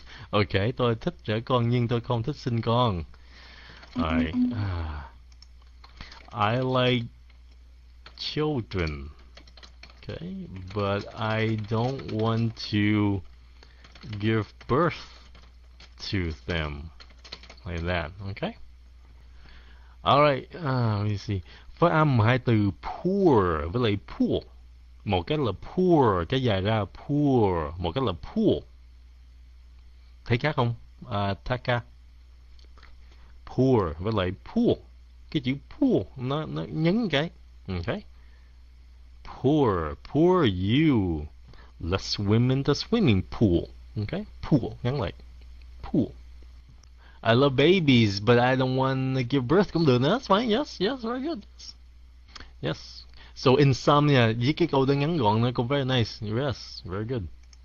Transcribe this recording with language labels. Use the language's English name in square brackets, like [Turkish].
[Vietnamese] Okay, tôi thích trẻ con nhưng tôi không thích sinh con. [English] Alright. I like children, okay, but I don't want to give birth to them, like that, okay? Alright, let me see. [Vietnamese] Phát âm hai từ poor với lại poor. Một cái là poor, cái dài ra poor, một cái là poor. Thấy khác không? Taka. Poor với lại poor. Cái chữ poor, nó nhấn cái, okay? [English] Poor, poor you. Let's swim in the swimming pool. [Vietnamese] Okay, pool, ngắn lại. Pool. [English] I love babies, but I don't want to give birth. [Vietnamese] Cũng được, [English] that's fine. Yes, yes, very good. Yes. Yes. So insomnia, [Vietnamese] với cái câu đó ngắn gọn nó cũng [English] very nice. Yes, very good.